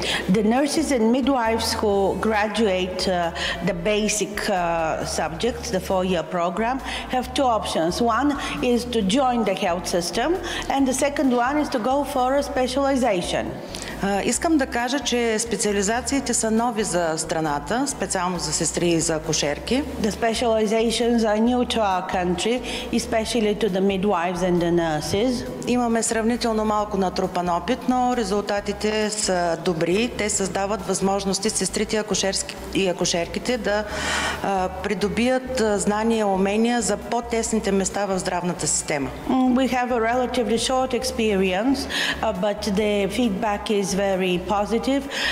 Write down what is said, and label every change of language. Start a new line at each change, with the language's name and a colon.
English: The nurses and midwives who graduate the basic subjects, the four-year program, have two options. One is to join the health system, and the second one is to go for a specialization.
Bulgarian: Искам да кажа, че специализациите са нови за страната, специално за сестри и за акушерки.
English: The specializations are new to our country, especially to the midwives and the nurses.
Bulgarian: Имаме сравнително малко натрупан опит, но резултатите са добри. Те създават възможности сестрите и акушерките да придобият знания и умения за по-тесните места в здравната система.
English: We have a relatively short experience, but the feedback is very positive.